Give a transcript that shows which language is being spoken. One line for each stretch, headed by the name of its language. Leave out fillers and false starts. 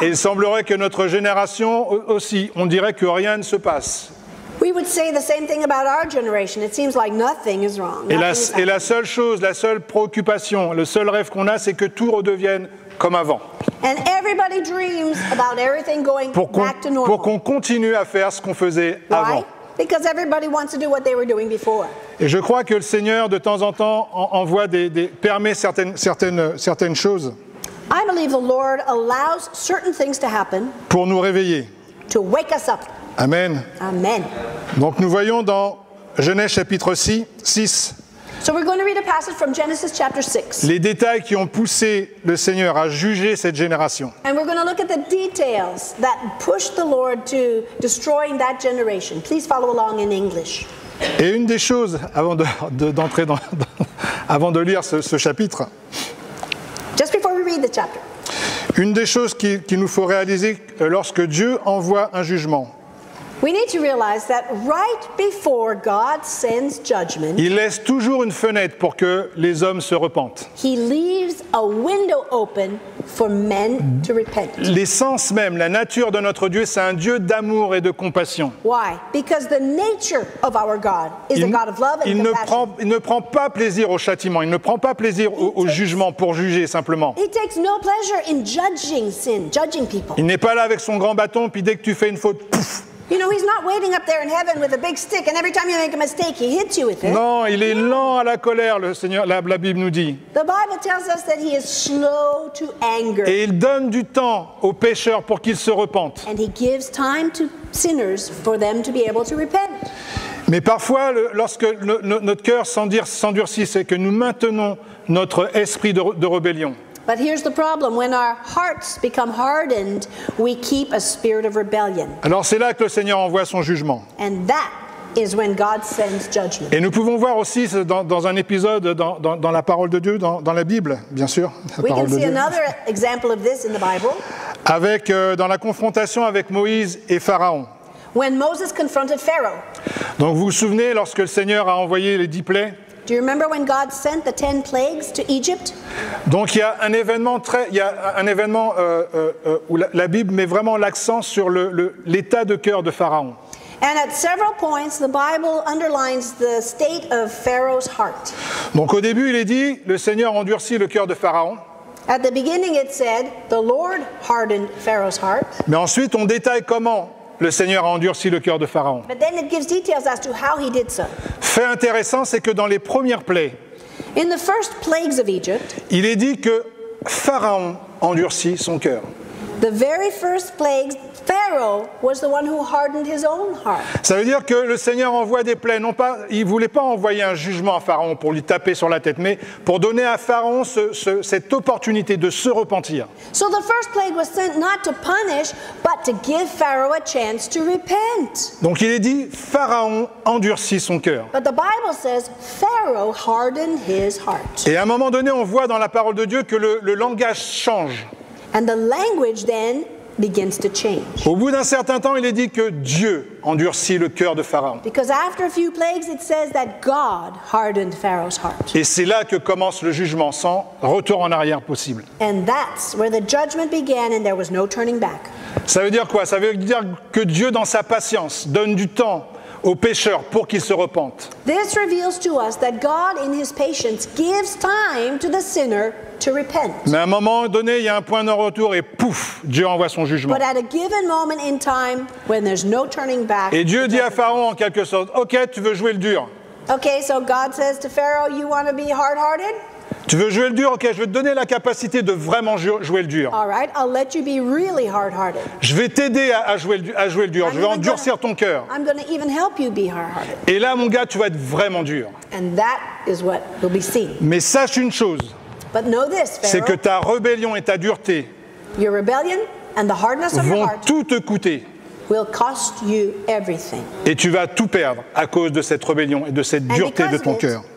French: Et il semblerait que notre génération aussi, on dirait que rien ne se passe.
English: We would say the same thing about our generation. It seems like nothing is wrong.
French: Et la seule chose, la seule préoccupation, le seul rêve qu'on a, c'est que tout redevienne comme avant.
English: And everybody dreams about everything going back to normal.
French: Pour qu'on continue à faire ce qu'on faisait avant.
English: Why? Because everybody wants to do what they were doing before.
French: Et je crois que le Seigneur de temps en temps envoie permet certaines choses.
English: I believe the Lord allows certain things to happen.
French: Pour nous réveiller.
English: To wake us up.
French: Amen.
English: Amen.
French: Donc nous voyons dans Genèse chapitre 6.
English: So we're going to read a passage from Genesis chapter 6.
French: Les détails qui ont poussé le Seigneur à juger cette génération.
English: And we're going to look at the details that pushed the Lord to destroying that generation. Please follow along in English.
French: Et une des choses avant de lire ce chapitre.
English: Just before we read the chapter.
French: Une des choses qui nous faut réaliser lorsque Dieu envoie un jugement.
English: We need to realize that right before God sends judgment,
French: il laisse toujours une fenêtre pour que les hommes se repentent.
English: He leaves a window open for men to repent.
French: L'essence même, la nature de notre Dieu, c'est un Dieu d'amour et de compassion.
English: Why? Because the nature of our God is a God of love and compassion.
French: Il ne prend pas plaisir au châtiment, il ne prend pas plaisir au jugement pour juger simplement.
English: He takes no pleasure in judging sin, judging people.
French: Il n'est pas là avec son grand bâton, puis dès que tu fais une faute, pouf.
English: You know, he's not waiting up there in heaven with a big stick, and every time you make a mistake, he hits you with it.
French: Non, il est lent à la colère, le Seigneur, la Bible nous dit.
English: The Bible tells us that he is slow to anger.
French: Et il donne du temps aux pécheurs pour qu'ils se repentent.
English: And he gives time to sinners for them to be able to repent.
French: Mais parfois, lorsque notre cœur s'endurcit, c'est que nous maintenons notre esprit de rébellion.
English: But here's the problem. When our hearts become hardened, we keep a spirit of rebellion.
French: Alors c'est là que le Seigneur envoie son jugement.
English: And that is when God sends judgment.
French: Et nous pouvons voir aussi dans un épisode dans la parole de Dieu, dans la Bible, bien sûr.
English: We can see another example of this in the Bible.
French: Avec, dans la confrontation avec Moïse et Pharaon.
English: When Moses confronted Pharaoh.
French: Donc vous vous souvenez lorsque le Seigneur a envoyé les 10 plaies?
English: Do you remember when God sent the 10 plagues to Egypt?
French: Donc il y a un événement où la Bible met vraiment l'accent sur l'état de cœur de Pharaon.
English: And at several points the Bible underlines the state of Pharaoh's heart.
French: Donc au début il est dit le Seigneur endurcit le cœur de Pharaon.
English: At the beginning it said the Lord hardened Pharaoh's heart.
French: Mais ensuite on détaille comment le Seigneur a endurci le cœur de Pharaon.
English: But then it gives details as to how he did so.
French: Fait intéressant, c'est que dans les premières plaies,
English: in the first plagues of Egypt,
French: il est dit que Pharaon endurcit son cœur.
English: The very first plagues, Pharaoh was the one who hardened his own heart.
French: Ça veut dire que le Seigneur envoie des plaies, non pas, il voulait pas envoyer un jugement à Pharaon pour lui taper sur la tête, mais pour donner à Pharaon cette opportunité de se repentir.
English: So the first plague was sent not to punish, but to give Pharaoh a chance to repent.
French: Donc il est dit, Pharaon endurcit son cœur.
English: But the Bible says Pharaoh hardened his heart.
French: Et à un moment donné, on voit dans la parole de Dieu que le langage change.
English: And the language then begins to change.
French: Au bout d'un certain temps, il est dit que Dieu endurcit le cœur de Pharaon.
English: Because after a few plagues, it says that God hardened Pharaoh's heart.
French: Et c'est là que commence le jugement, sans retour en arrière possible.
English: And that's where the judgment began, and there was no turning back.
French: Ça veut dire quoi? Ça veut dire que Dieu, dans sa patience, donne du temps aux pécheurs pour qu'ils se repentent.
English: This reveals to us that God, in His patience, gives time to the sinner to repent.
French: Mais à un moment donné, il y a un point de non-retour et pouf, Dieu envoie son jugement.
English: But at a given moment in time, when there's no turning back.
French: Et Dieu dit à Pharaon en quelque sorte, OK, tu veux jouer le dur.
English: Okay, so God says to Pharaoh, you want to be hard-hearted?
French: Tu veux jouer le dur? OK, je vais te donner la capacité de vraiment jouer le dur.
English: All right, I'll let you be really hard-hearted.
French: Je vais t'aider à jouer le dur. Je vais endurcir ton cœur.
English: I'm going to even help you be hard-hearted.
French: Et là, mon gars, tu vas être vraiment dur.
English: And that is what will be seen.
French: Mais sache une chose.
English: But know this, Pharaoh.
French: C'est que ta rébellion et ta dureté
English: your rebellion and the hardness of
French: vont
English: your heart
French: tout te coûter.
English: Will cost you everything.
French: Et tu vas tout perdre à cause de cette rébellion et de cette dureté de ton cœur.